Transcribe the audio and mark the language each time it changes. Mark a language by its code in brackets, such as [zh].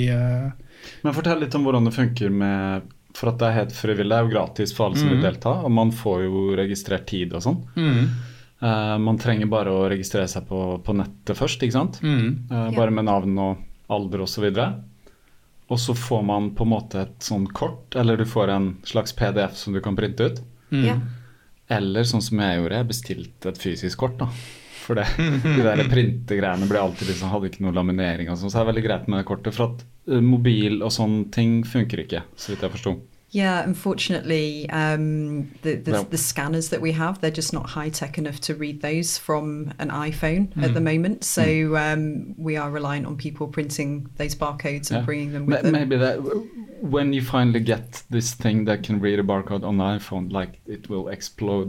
[no] Men fortell litt om hvordan det funker med... For at det helt frivillig, det jo gratis for alle som vil delta, og man får jo registrert tid og sånn. Mm. Man trenger bare å registrere seg på nettet først, ikke sant? Mm. Bare med navn og alder og så videre. Og så får man på en måte et sånn kort, eller du får en slags PDF som du kan printe ut. Mm. Ja. Eller sånn som jeg gjorde, jeg bestilte et fysisk kort da. For det, de der printegreiene ble alltid liksom, hadde ikke noen laminering og sånn, så det veldig greit med det kortet, for at mobil og sånne ting funker ikke, så vidt jeg forstod. [en] Yeah, unfortunately, the scanners that we have, they're just not high-tech enough to read those from an iPhone at the moment. So we are reliant on people printing those barcodes and bringing them with them. Maybe that, when you finally get this thing that can read a barcode on the iPhone, like it will explode.